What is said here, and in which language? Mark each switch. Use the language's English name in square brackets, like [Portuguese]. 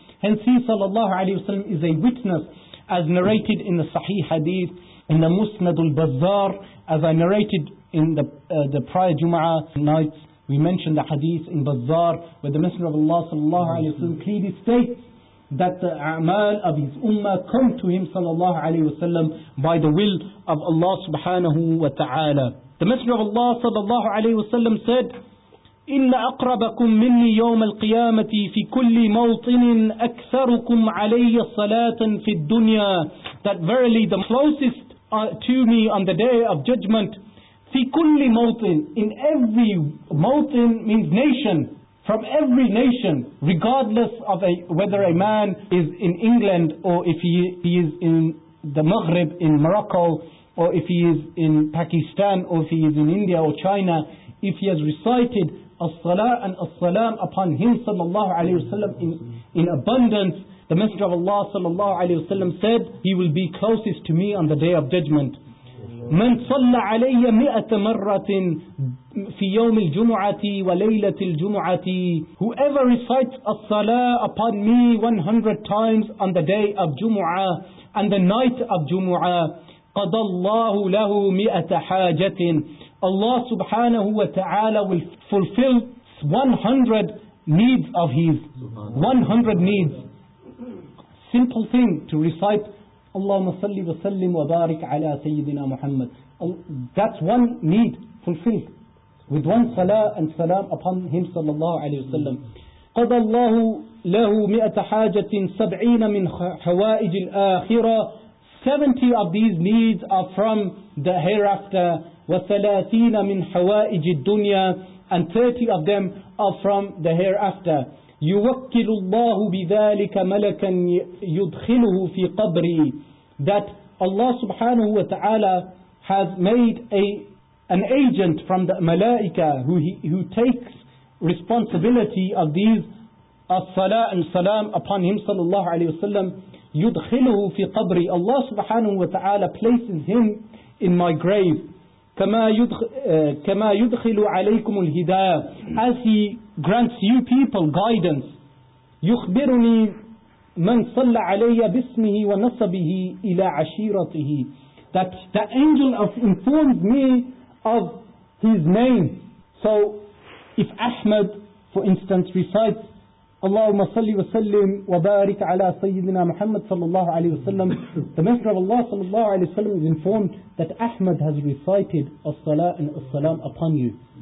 [English] Hence he sallallahu alayhi wa sallam is a witness, as narrated in the sahih hadith in the Musnad al-Bazzar, as I narrated in the prior Jum'ah nights. We mentioned the hadith in Bazzar where the Messenger of Allah sallallahu alayhi wa sallam clearly states that the a'mal of his ummah come to him sallallahu alayhi wa sallam by the will of Allah subhanahu wa ta'ala. The Messenger of Allah sallallahu alayhi wa sallam said, [Arabic] إِنَّ أَقْرَبَكُمْ مِنِّي يَوْمَ الْقِيَامَةِ فِي كُلِّ مَوْطِنٍ أَكْثَرُكُمْ عَلَيَّ صَلَاةً فِي الدُّنْيَا. [English] That verily the closest to me on the Day of Judgment, [Arabic] في كل موطن, [English] in every موطن means nation, from every nation, regardless of whether a man is in England or if he is in the Maghrib in Morocco, or if he is in Pakistan, or if he is in India or China, if he has recited as-salah and as-salam upon him sallallahu alayhi wa sallam in abundance, the Messenger of Allah sallallahu alayhi wa sallam said, he will be closest to me on the Day of Judgment. [Arabic] من صلى علي 100 مرة في يوم الجمعة وليلة الجمعة. [English] Whoever recites a salah upon me 100 times on the day of Jumu'ah and the night of Jumu'ah, [Arabic] قضى الله له 100 حاجة. [English] Allah subhanahu wa ta'ala will fulfill 100 needs of his. 100 needs. Simple thing to recite, Allahumma salli wa sallim wa barik ala Sayyidina Muhammad. That's one need fulfilled with one salah and salam upon him sallallahu alayhi wa sallam. [Arabic] قضى الله له 100 حاجة 70 من حوائج الآخرة. [English] 70 of these needs are from the hereafter. [Arabic] وثلاثين من حوائج الدنيا. [English] And 30 of them are from the hereafter. [Arabic] يوكل الله بذلك ملكا يدخله في قبري. [English] That Allah subhanahu wa ta'ala has made an agent from the malaika who takes responsibility of these as-salah and salam upon him sallallahu alayhi wa sallam. [Arabic] يدخله في قبري. [English] Allah subhanahu wa ta'ala places him in my grave. [Arabic] كما يدخل عليكم الهداية. [English] As he grants you people guidance. [Arabic] يخبرني من صلى علي باسمه ونسبه إلى عشيرته. [English] That the angel of informs me of his name. So if Ahmed, for instance, recites [Arabic] اللهم صل وسلم وبارك على سيدنا محمد صلى الله عليه وسلم, [English] the Messenger of Allah صلى الله عليه وسلم is informed that Ahmed has recited الصلاة and السلام upon you.